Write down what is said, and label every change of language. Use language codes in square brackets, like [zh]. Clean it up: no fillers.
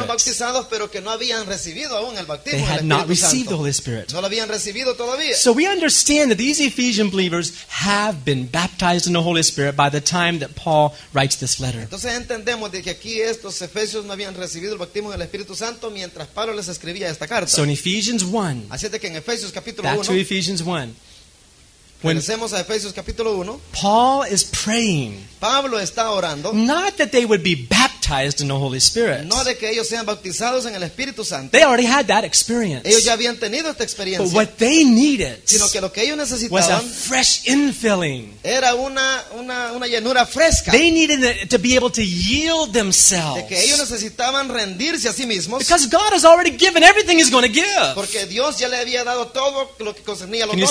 [es] Fueron bautizados, pero que no habían recibido aún el bautismo. [en] They had not received the Holy Spirit. [es] No lo habían recibido todavía. [en] So we understand that these Ephesian believers have been baptized in the Holy Spirit by the time that Paul writes this letter. [es] Entonces entendemos de que aquí estos efesios no habían recibido el bautismo del Espíritu Santo mientras Pablo les escribía esta carta. [en] So in Ephesians 1. [es] Así es de que en Efesios capítulo [en] 1. Back to Ephesians 1. When [es] regresemos a Efesios capítulo 1. [en] Paul is praying. [es] Pablo está orando. [en] Not that they would be baptized in the Holy Spirit. [es] No de que ellos sean bautizados en el Espíritu Santo. [en] They already had that experience. [es] Ellos ya habían tenido esta experiencia. [en] But what they needed, [es] sino que lo que ellos necesitaban, [en] was a fresh infilling. [es] Era una llenura fresca. [en] They needed to be able to yield themselves. [es] De que ellos necesitaban rendirse a sí mismos. [en] Because God has already given everything He's going to give. [es] Porque Dios ya le había dado todo lo que concernía los dones.